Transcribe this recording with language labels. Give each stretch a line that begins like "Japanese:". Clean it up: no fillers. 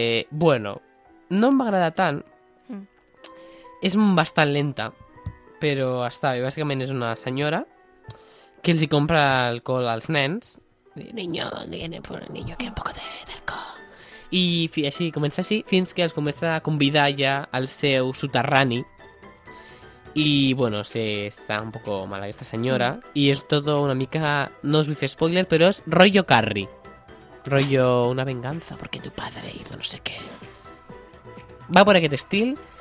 Catalan: Bueno, no em va agradar tant. És bastant lenta, però està bé. Bàsicament és una senyora que els hi compra alcohol als nens.
Spanish: Niño, viene por el niño, que un poco d'alcohol.
Catalan: I així comença així, fins que els comença a convidar ja al seu soterrani. I, bueno, sí, està
Spanish: un poco
Catalan: mal aquesta senyora. I és tot una mica... No us vull fer spoiler, però és rotllo Carrie. Rotllo
Spanish: una venganza,
Catalan: perquè
Spanish: tu padre hizo
Catalan: no sé què. Va per aquest estil.